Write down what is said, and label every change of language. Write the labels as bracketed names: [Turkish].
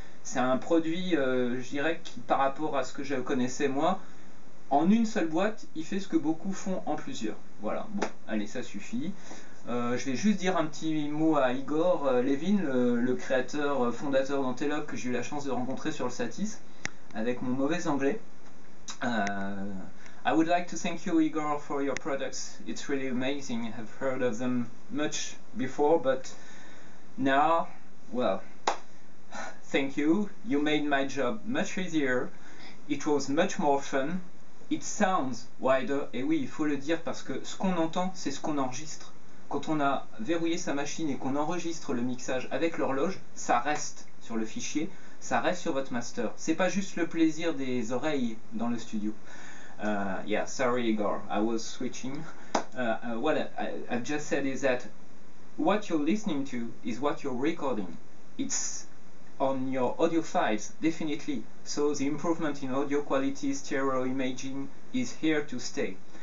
[French] C'est un produit, je dirais, qui par rapport à ce que je connaissais moi, en une seule boîte, il fait ce que beaucoup font en plusieurs. Voilà, bon, allez, ça suffit. Je vais juste dire un petit mot à Igor Levin, le créateur fondateur d'Antelope que j'ai eu la chance de rencontrer sur le Satis, avec mon mauvais anglais. [English] I would like to thank you, Igor, for your products. It's really amazing. I've heard of them much before, but now, well, thank you. You made my job much easier. It was much more fun. It sounds wider. [French] Et oui, il faut le dire parce que ce qu'on entend, c'est ce qu'on enregistre. Quand on a verrouillé sa machine et qu'on enregistre le mixage avec l'horloge, ça reste sur le fichier, ça reste sur votre master. C'est pas juste le plaisir des oreilles dans le studio. [English] Yeah, sorry Igor, I was switching. What I've just said is that what you're listening to is what you're recording. It's on your audio files, definitely. So the improvement in audio quality, stereo imaging is here to stay.